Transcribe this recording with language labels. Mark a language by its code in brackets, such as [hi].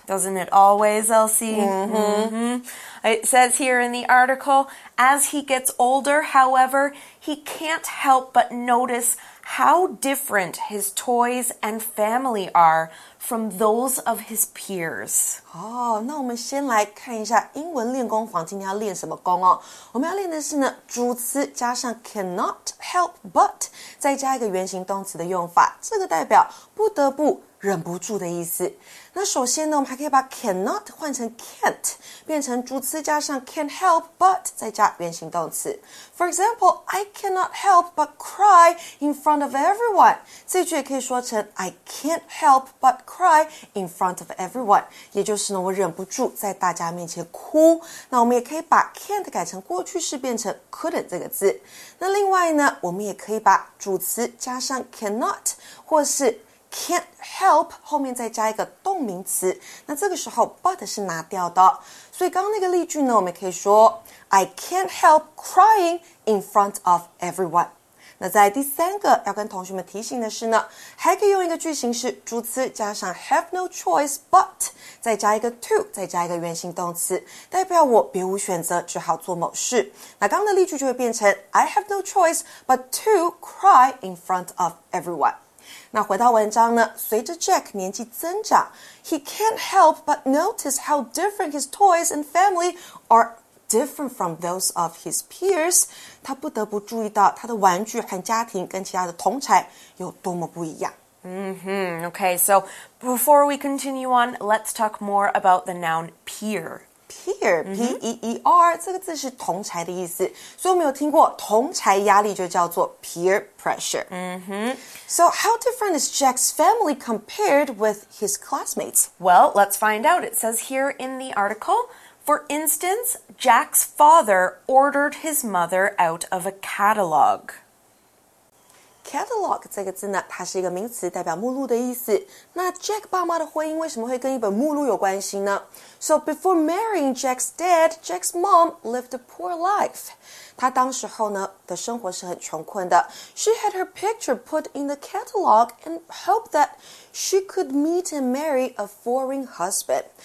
[en] Doesn't it always, Elsie? Mm-hmm. It says here in the article, as he gets older, however, he can't help but notice how different his toys and family are from those of his peers. [zh] Oh, 那我们先来看一下英文练功房今天要练什么功哦。我们要练的是呢，主词加上 [en] cannot help but, [zh] 再加一个原形动词的用法，这个代表不得不忍不住的意思。那首先呢，我们还可以把 cannot 换成 can't, 变成主词加上 [en] can't help but [zh] 再加原形动词。 For example, I cannot help but cry in front of everyone. 这句也可以说成 [en] I can't help but cry in front of everyone. [zh] 也就是呢，我忍不住在大家面前哭。那我们也可以把 can't 改成过去式，变成 couldn't 这个字。那另外呢，我们也可以把主词加上 cannot 或是Can't help, 后面再加一个动名词，那这个时候 but 是拿掉的。所以刚刚那个例句呢，我们可以说 [en] I can't help crying in front of everyone. [zh] 那在第三个要跟同学们提醒的是呢，还可以用一个句型是主词加上 [en] have no choice but, [zh] 再加一个 to, 再加一个原形动词，代表我别无选择，只好做某事。那刚刚的例句就会变成 [en] I have no choice but to cry in front of everyone. [zh] 那回到文章呢，随着 Jack 年纪增长， [en] He can't help but notice how different his toys and family are different from those of his peers. [zh] 他不得不注意到他的玩具和家庭跟其他的同侪有多么不一样。 [en] Mm-hmm. Okay, so before we continue on, let's talk more about the noun peer. [zh] Peer, P-E-E-R,、mm-hmm. 这个字是同侪的意思。所以我们有听过同侪压力就叫做 peer pressure.、 [en] Mm-hmm. So how different is Jack's family compared with his classmates? Well, let's find out. It says here in the article, for instance, Jack's father ordered his mother out of a catalog. [zh] Catalog 这个字呢，它是一个名词，代表目录的意思。那 Jack 爸妈的婚姻为什么会跟一本目录有关系呢？ [en] So before marrying Jack's dad, Jack's mom lived a poor life. [zh] 她当时候呢的生活是很穷困的。 [en] She had her picture put in the catalog and hoped that she could meet and marry a foreign husband.